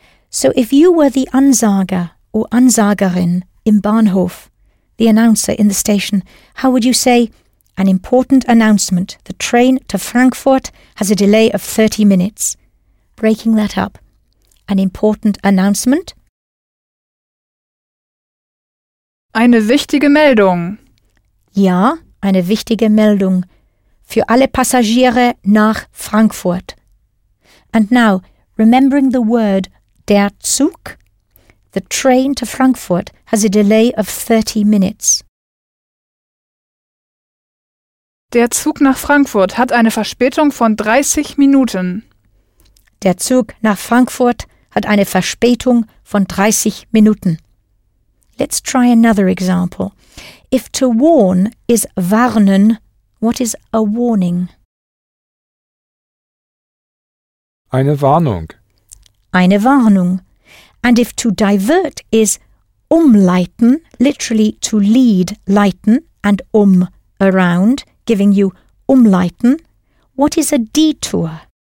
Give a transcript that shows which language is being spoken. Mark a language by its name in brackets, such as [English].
[English] So if you were the Ansager or Ansagerin [German] im Bahnhof, [English] the announcer in the station, how would you say, an important announcement, the train to Frankfurt has a delay of 30 minutes? Breaking that up, an important announcement? [German] Eine wichtige Meldung. Ja, eine wichtige Meldung. Für alle Passagiere nach Frankfurt. [English] And now, remembering the word der Zug, the train to Frankfurt has a delay of 30 minutes. [German] Der Zug nach Frankfurt hat eine Verspätung von 30 Minuten. Der Zug nach Frankfurt hat eine Verspätung von 30 Minuten. [English] Let's try another example. If to warn is warnen, what is a warning? [German] Eine Warnung. Eine Warnung. [English] And if to divert is umleiten, literally to lead, leiten, and around, giving you umleiten, what is a detour?